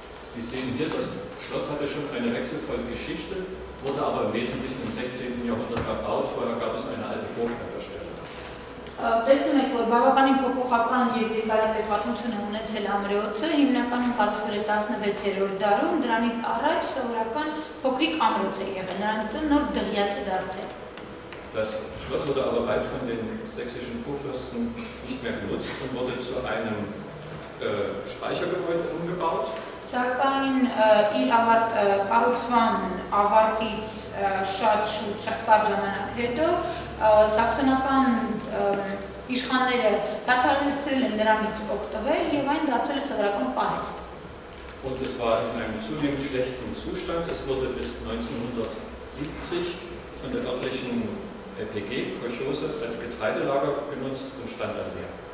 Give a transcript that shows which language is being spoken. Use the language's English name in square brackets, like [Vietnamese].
[German] Sie sehen hier, das Schloss hatte schon eine wechselvolle Geschichte, wurde aber im Wesentlichen im 16. Jahrhundert erbaut. Vorher gab es eine alte Burg an der Stelle. [Armenian] Տեսնում եք, որ բավականին փոփոխական և երկարատև պատմությունը ունեցել ամրոցը, հիմնականում կառուցվել է 16-րդ դարում, դրանից առաջ սովորական փոքրիկ ամրոց է եղել, նրանց դեռ նոր դղյակ է դարձել։ [German] Das Schloss wurde aber bald von den sächsischen Kurfürsten nicht mehr genutzt und wurde zu einem Speichergebäude umgebaut. [Armenian] Սակայն իր կառուցման ավարտից շատ շուտ, շատ կարճ ժամանակ հետո սաքսոնական իշխանները դադարեցրել են նրանից օգտվել և այն դարձել է սովորական պահեստ։ [German] Und es war in einem zunehmend schlechten Zustand. Es wurde bis 1970 von der örtlichen LPG, Kolchose, als Getreidelager genutzt und stand dann leer.